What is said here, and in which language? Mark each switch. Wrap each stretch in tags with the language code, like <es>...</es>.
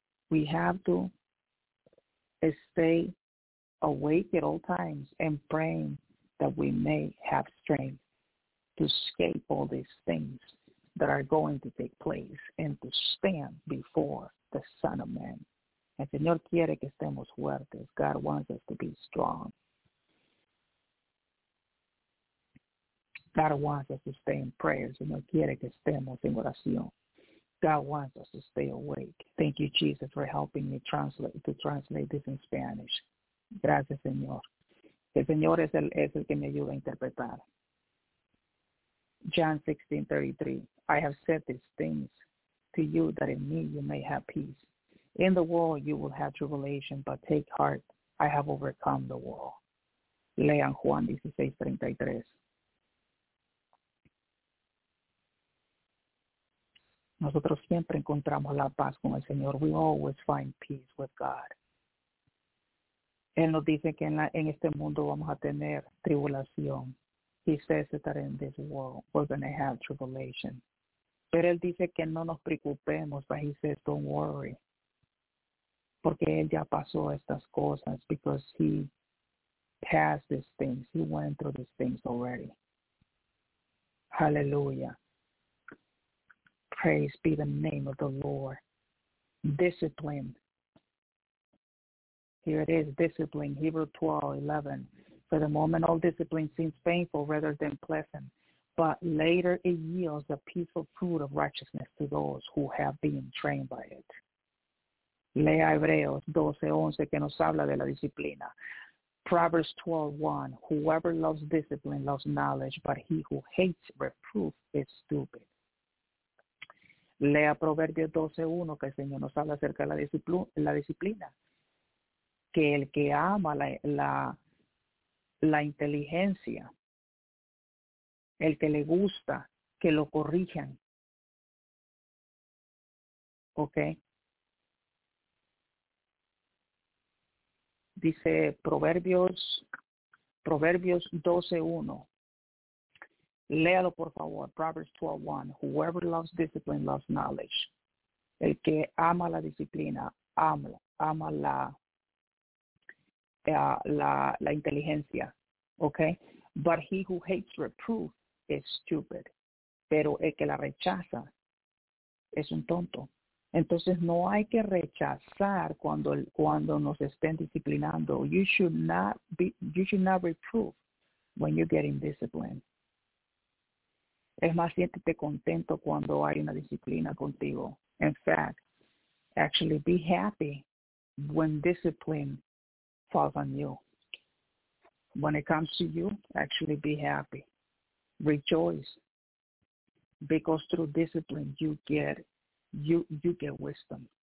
<en>We have to stay awake at all times and praying that we may have strength to escape all these things that are going to take place and to stand before the Son of Man.</en> <es>El Señor quiere que estemos fuertes.</es> <en>God wants us to be strong. God wants us to stay in prayers.</en> <es>Señor quiere que estemos en oración.</es> <en>God wants us to stay awake. Thank you, Jesus, for helping me translate this in Spanish.</en> <es>Gracias, Señor. El Señor es el que me ayuda a interpretar.</es> <en>John 16:33. I have said these things to you that in me you may have peace. In the world you will have tribulation, but take heart. I have overcome the world.</en> <es>Lean Juan 16:33. Nosotros siempre encontramos la paz con el Señor.</es> <en>We always find peace with God.</en> <es>Él nos dice que en este mundo vamos a tener tribulación.</es> <en>He says that in this world, we're going to have tribulation.</en> <es>Pero él dice que no nos preocupemos,</es> <en>but he says, don't worry.</en> <es>Porque él ya pasó estas cosas,</es> <en>because he passed these things. He went through these things already. Hallelujah. Praise be the name of the Lord. Discipline. Here it is, discipline. Hebrews 12:11. For the moment, all discipline seems painful rather than pleasant, but later it yields the peaceful fruit of righteousness to those who have been trained by it.</en> <es>Lea Hebreos 12:11, que nos habla de la disciplina.</es> <en>Proverbs 12:1, whoever loves discipline loves knowledge, but he who hates reproof is stupid.</en> <es>Lea Proverbios 12:1, que el Señor nos habla acerca de la disciplina. Que el que ama la inteligencia, el que le gusta, que lo corrijan. ¿Ok? Dice Proverbios 12:1. Léalo, por favor.</es> <en>Proverbs 12:1. Whoever loves discipline loves knowledge.</en> <es>El que ama la disciplina, ama la inteligencia, okay?</es> <en>But he who hates reproof is stupid.</en> <es>Pero el que la rechaza es un tonto. Entonces no hay que rechazar cuando nos estén disciplinando.</es> <en>You should not reprove when you're getting disciplined.</en> <es>Es más, siéntete contento cuando hay una disciplina contigo.</es> <en>In fact, actually be happy when discipline falls on you. When it comes to you, actually be happy. Rejoice. Because through discipline, you get wisdom.</en>